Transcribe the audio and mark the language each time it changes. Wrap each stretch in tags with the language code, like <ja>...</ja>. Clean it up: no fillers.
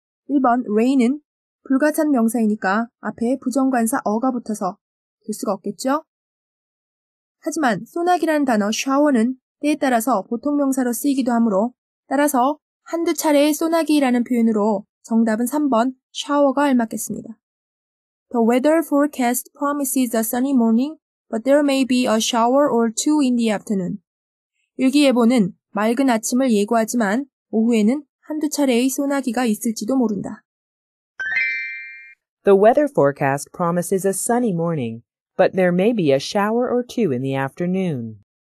<ko>1번 rain은 불가찬 명사이니까 앞에 부정관사 어가 붙어서 될 수가 없겠죠. 하지만 소나기라는 단어 shower는 때에 따라서 보통 명사로 쓰이기도 하므로 따라서 한두 차례의 소나기라는 표현으로 정답은 3번 샤워가 알맞겠습니다.</ko> <en>The weather forecast promises a sunny morning, but there may be a shower or two in the afternoon.</en> <ko>일기예보는 맑은 아침을 예고하지만 오후에는 한두 차례의 소나기가 있을지도 모른다.</ko> <en>The weather forecast promises a sunny morning, but there may be a shower or two in the afternoon.</en>